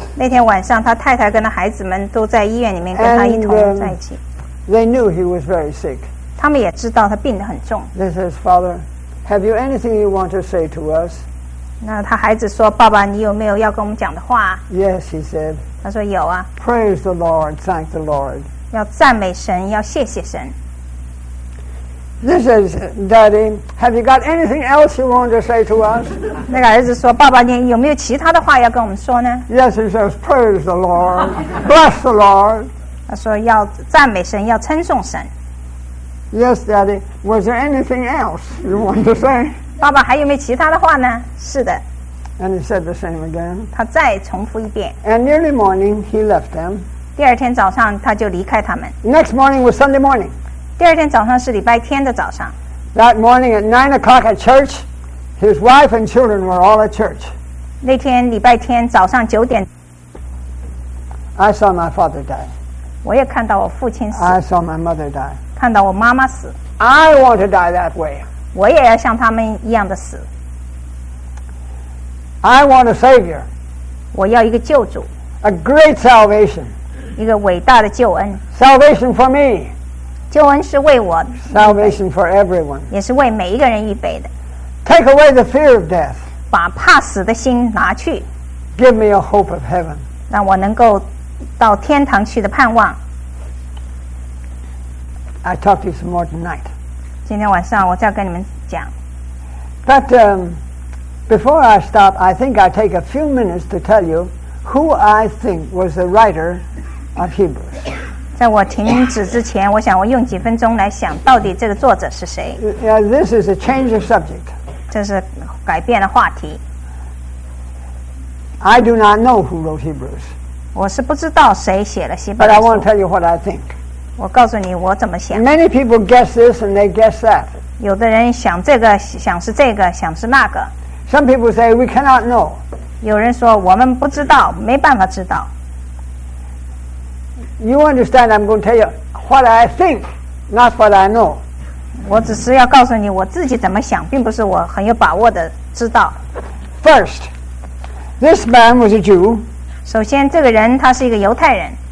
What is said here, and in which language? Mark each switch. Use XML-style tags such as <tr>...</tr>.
<zh>那天晚上，他太太跟他孩子们都在医院里面跟他一同在一起。</zh> <en>They knew he was very sick.</en> <zh>他们也知道他病得很重。</zh> <en>They said, "Father, have you anything you want to say to us?"</en> <zh>那他孩子说：“爸爸，你有没有要跟我们讲的话？”</zh> <en>Yes, he said.</en> <zh>他说有啊。</zh> <en>Praise the Lord, thank the Lord.</en> <zh>要赞美神，要谢谢神。</zh> <en>This is, Daddy, have you got anything else you want to say to us?</en> <zh>那个儿子说，爸爸，你有没有其他的话要跟我们说呢？</zh> <en>Yes, he says, praise the Lord, bless the Lord.</en> <zh>他说要赞美神，要称颂神。</zh> <en>Yes, Daddy, was there anything else you want to say?</en> <zh>爸爸，还有没有其他的话呢？是的。</zh> <en>And he said the same again.</en> <zh>他再重复一遍。</zh> <en>And early morning, he left them.</en> <zh>第二天早上，他就离开他们。</zh> <en>Next morning was Sunday morning.</en> <zh>第二天早上是礼拜天的早上。</zh> <en>That morning at 9 o'clock at church, his wife and children were all at church.</en> <zh>那天礼拜天早上九点。</zh> <en>I saw my father die.</en> <zh>我也看到我父亲死。</zh> <en>I saw my mother die.</en> <zh>看到我妈妈死。</zh> <en>I want to die that way.</en> <zh>我也要像他们一样的死。</zh> <en>I want a savior.</en> <zh>我要一个救主。</zh> <en>A great salvation.</en> <zh>一个伟大的救恩。</zh> <en>Salvation for me.</en> <zh>救恩是为我</zh> <en>Salvation for everyone.</en> <zh>也是为每一个人预备的。</zh> <en>Take away the fear of death.</en> <zh>把怕死的心拿去。</zh> <en>Give me a hope of heaven.</en> <zh>让我能够到天堂去的盼望。</zh> <en>I talk to you some more tonight.</en> <zh>今天晚上我再跟你们讲。</zh> <en>But before I stop, I think I take a few minutes to tell you who I think was the writer of Hebrews.</en> <zh>在我停止之前，我想我用几分钟来想到底这个作者是谁。</zh> <en>This is a change of subject.</en> <zh>这是改变了话题。</zh> <en>I do not know who wrote Hebrews.</en> <zh>我是不知道谁写了希伯来</zh> <en>书。But I want to tell you what I think.</en> <zh>我告诉你我怎么想。</zh> <en>Many people guess this and they guess that.</en> <zh>有的人想这个，想是这个，想是那个。</zh> <en>Some people say we cannot know.</en> <zh>有人说我们不知道，没办法知道。</zh> <en>You understand I'm going to tell you what I think, not what I know.</en> <zh>我只是要告诉你我自己怎么想，并不是我很有把握的知道。</zh> <en>First,This man was a Jew.</en> <zh>首先，这个人他是一个犹太人。</zh>